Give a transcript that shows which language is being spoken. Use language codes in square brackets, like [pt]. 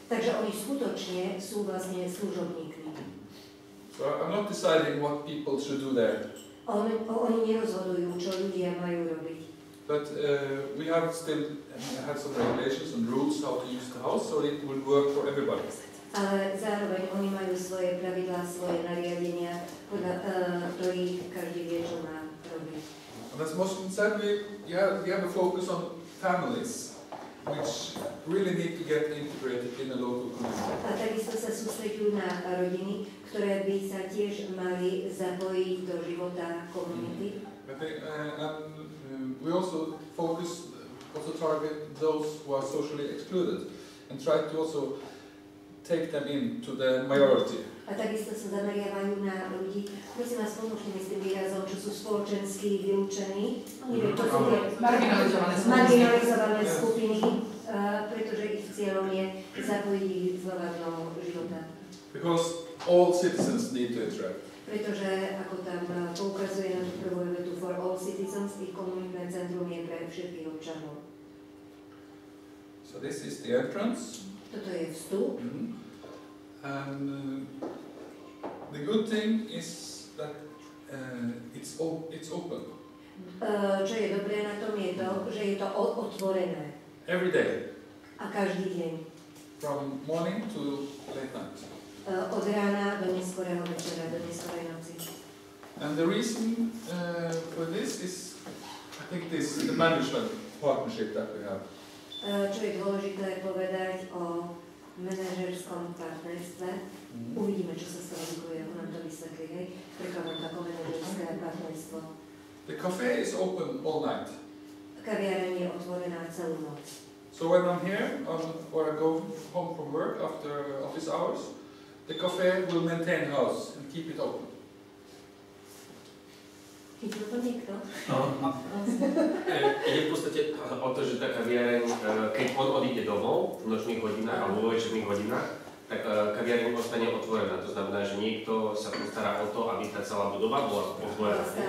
[sk] Takže oni skutočne sú vlastne služobníkmi. [en] So I'm not deciding what people should do there. [sk] Oni nerozhodujú, čo ľudia majú robiť. [en] But we have still had some regulations and rules how to use the house, so it would work for everybody. [sk] Ale zároveň oni majú svoje pravidlá, svoje nariadenia, podľa ktorých každý vie, čo má robiť. [en] And as most concerned, we have a focus on families, which really need to get integrated in a local community. [sk] A takisto sa sústredujú na rodiny, ktoré by sa tiež mali zapojiť do života komunity. Mm-hmm. [en] We also focus, also target those who are socially excluded and try to also take them in to the majority. [sk] A takisto sa zameriavajú na ľudí, prosím vás, pomôžte s tým výrazom, čo sú spoločensky vylúčení, marginalizované skupiny, pretože ich cieľom je zapojiť ich znova do života. [en] Because all citizens need to interact. [sk] Pretože, ako tam poukazuje na prvú vetu, [en] for all citizens, [sk] ich komunitné centrum je pre všetkých občanov. [en] So this is the entrance. [sk] Toto je vstup. Mm-hmm. [en] And the good thing is that it's open. [sk] Čo je dobré na tom je to, že je to otvorené. [en] Every day. [sk] A každý deň. [en] From morning to late night. [sk] Od rána do neskorého večera, do neskorej noci. [en] And the reason for this is, I think this is the management partnership that we have. [sk] Čo je dôležité povedať o manažerskom partnerstve. Mm-hmm. Uvidíme, čo sa stavíkuje, on nám to vysvetlí, hej. Prekladám tako manažerské partnerstvo. [en] The cafe is open all night. [sk] Kaviareň je otvorená celú noc. [en] So when I'm here, or I go home from work after office hours, the cafe will maintain the house and keep it open. [sk] Je v podstate o to, že tá kaviareň, keď on odíde domov v nočných hodinách alebo vo večerných hodinách, tak kaviareň ostane otvorená. To znamená, že niekto sa postará o to, aby tá celá budova bola otvorená.